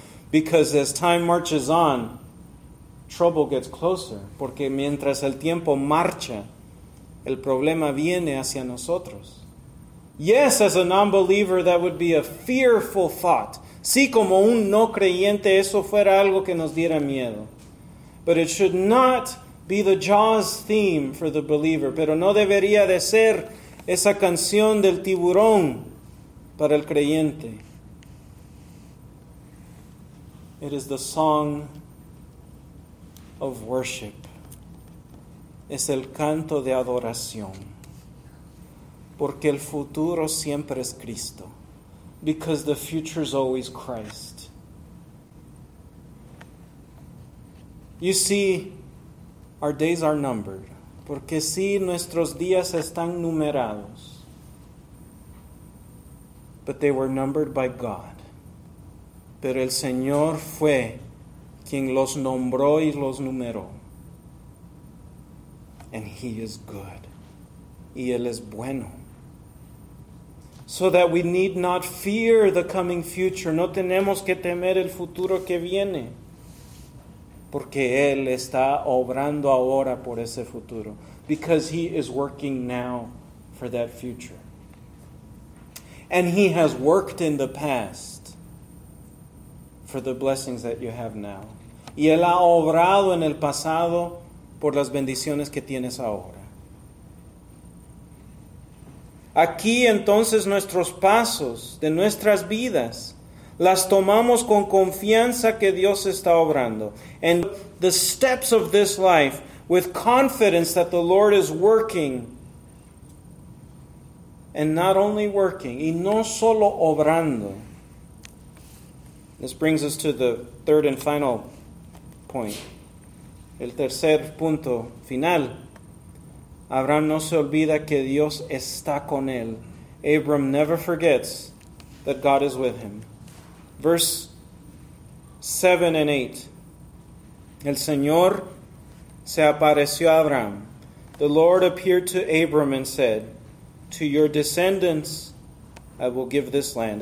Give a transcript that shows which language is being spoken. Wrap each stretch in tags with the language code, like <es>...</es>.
<en>Because as time marches on, trouble gets closer.</en> <es>Porque mientras el tiempo marcha, el problema viene hacia nosotros.</es> <en>Yes, as a non-believer, that would be a fearful thought.</en> <es>Sí, como un no creyente, eso fuera algo que nos diera miedo.</es> <en>But it should not be the Jaws theme for the believer.</en> <es>Pero no debería de ser esa canción del tiburón para el creyente.</es> <en>It is the song of worship.</en> <es>Es el canto de adoración. Porque el futuro siempre es Cristo.</es> <en>Because the future is always Christ. You see, our days are numbered.</en> <es>Porque sí, nuestros días están numerados.</es> <en>But they were numbered by God.</en> <es>Pero el Señor fue quien los nombró y los numeró.</es> <en>And He is good.</en> <es>Y Él es bueno.</es> <en>So that we need not fear the coming future.</en> <es>No tenemos que temer el futuro que viene. Porque Él está obrando ahora por ese futuro.</es> <en>Because He is working now for that future. And He has worked in the past for the blessings that you have now.</en> <es>Y Él ha obrado en el pasado por las bendiciones que tienes ahora. Aquí entonces nuestros pasos de nuestras vidas las tomamos con confianza que Dios está obrando.</es> <en>And the steps of this life with confidence that the Lord is working. And not only working,</en> <es>y no solo obrando.</es> <en>This brings us to the third and final point.</en> <es>El tercer punto final. Abraham no se olvida que Dios está con él.</es> <en>Abram never forgets that God is with him. Verse 7 and 8.</en> <es>El Señor se apareció a Abraham.</es> <en>The Lord appeared to Abram and said, "To your descendants I will give this land.</en>